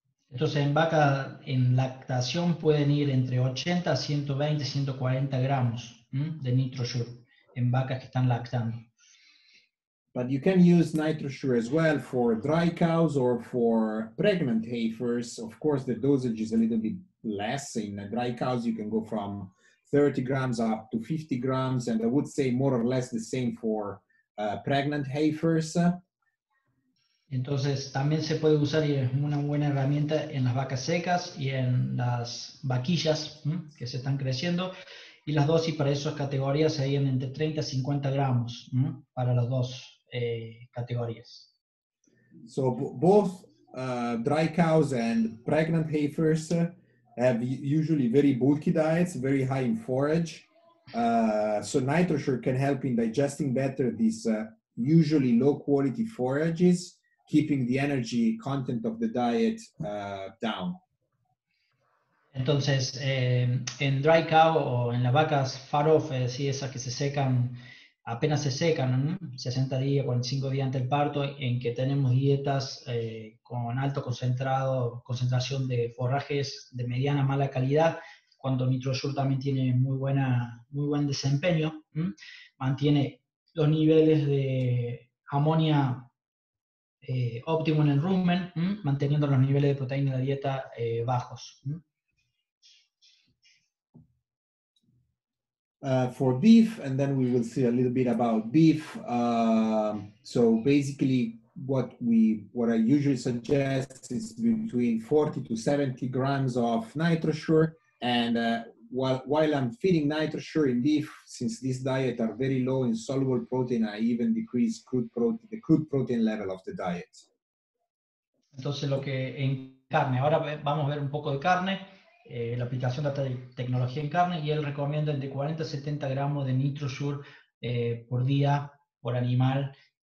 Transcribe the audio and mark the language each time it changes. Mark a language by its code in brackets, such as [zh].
[es] Entonces, en vaca, en lactación, pueden ir entre 80, 120, 140 gramos de NitroSure en vacas que están lactando. [en] But you can use NitroSure as well for dry cows or for pregnant heifers. Of course, the dosage is a little bit less. In the dry cows, you can go from 30 grams up to 50 grams. And I would say more or less the same for pregnant heifers. [es] Entonces, también se puede usar y es una buena herramienta en las vacas secas y en las vaquillas que se están creciendo. Y las dosis para esas categorías serían entre 30 y 50 gramos para las dos categorías. [en] So, both dry cows and pregnant heifers have usually very bulky diets, very high in forage. So, NitroSure can help in digesting better these usually low quality forages, keeping the energy content of the diet down. [es] Entonces, en dry cow o en las vacas far off, es decir, esas que se secan, apenas se secan, ¿no? 60 días, 45 días antes del parto, en que tenemos dietas con alto concentración de forrajes de mediana mala calidad, cuando NitroSure también tiene muy buen desempeño, mantiene los niveles de amonía óptimo en el rumen, manteniendo los niveles de proteína de la dieta bajos. [en] For beef, and then we will see a little bit about beef. So basically, what I usually suggest is between 40 to 70 grams of NitroSure. And while I'm feeding NitroSure in beef, since these diets are very low in soluble protein, I even decrease the crude protein level of the diet. [es] Entonces, lo que en carne. Ahora vamos a ver un poco de carne. La aplicación de la tecnología en carne, y él recomienda entre 40 y 70 gramos de NitroSure por día, por animal.